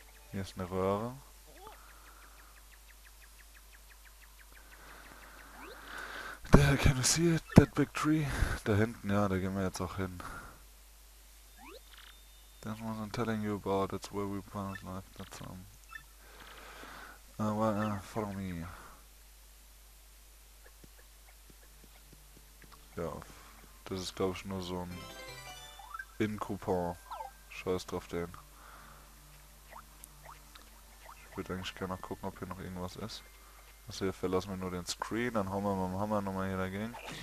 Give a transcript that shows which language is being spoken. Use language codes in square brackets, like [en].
[de] Hier ist eine Röhre. [en] There, can you see it? That big tree? [de] Da hinten, ja, da gehen wir jetzt auch hin. [en] That one I'm telling you about, that's where we planned life, that's well, follow me. [de] Ja, das ist glaube ich nur so ein In-Coupon. Scheiß drauf den. Ich würde eigentlich gerne noch gucken, ob hier noch irgendwas ist. Also hier verlassen wir nur den Screen, dann hauen wir mit dem Hammer nochmal hier dagegen.